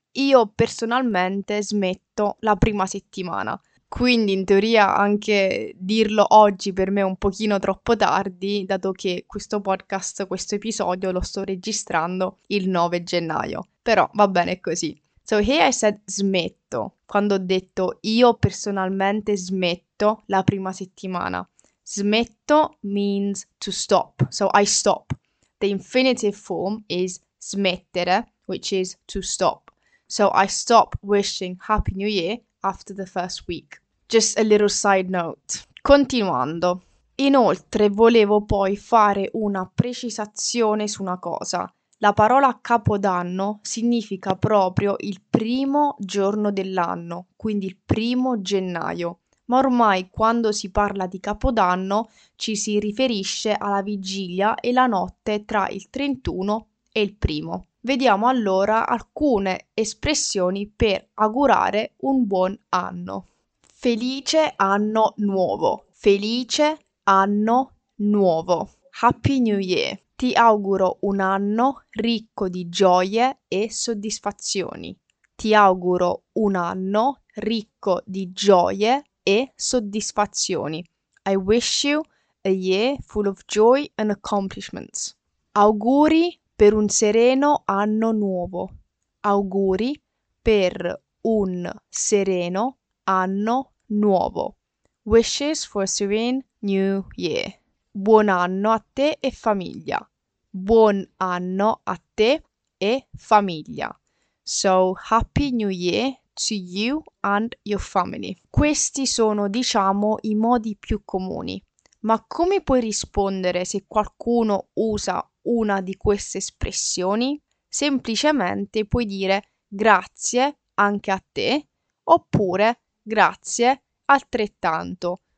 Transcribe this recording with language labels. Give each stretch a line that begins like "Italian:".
Italian: Io personalmente smetto la prima settimana, quindi in teoria anche dirlo oggi per me è un pochino troppo tardi, dato che questo podcast, questo episodio lo sto registrando il 9 gennaio. Però va bene così.
English: So here I said
Italian: smetto, quando ho detto io personalmente smetto la prima settimana.
English: Smetto means to stop, so I stop. The infinitive form is smettere, which is to stop. So I stop wishing Happy New Year after the first week. Just a little side note. Continuando.
Italian: Inoltre volevo poi fare una precisazione su una cosa. La parola Capodanno significa proprio il primo giorno dell'anno, quindi il primo gennaio. Ma ormai quando si parla di Capodanno ci si riferisce alla vigilia e la notte tra il 31 e il primo. Vediamo allora alcune espressioni per augurare un buon anno. Felice anno nuovo. Felice anno nuovo.
English: Happy New Year.
Italian: Ti auguro un anno ricco di gioie e soddisfazioni. Ti auguro un anno ricco di gioie e soddisfazioni.
English: I wish you a year full of joy and accomplishments.
Italian: Auguri per un sereno anno nuovo. Auguri per un sereno anno nuovo.
English: Wishes for a serene new year.
Italian: Buon anno a te e famiglia. Buon anno a te e famiglia.
English: So, happy new year to you and your family.
Italian: Questi sono, diciamo, i modi più comuni. Ma come puoi rispondere se qualcuno usa una di queste espressioni? Semplicemente puoi dire grazie anche a te oppure grazie altrettanto.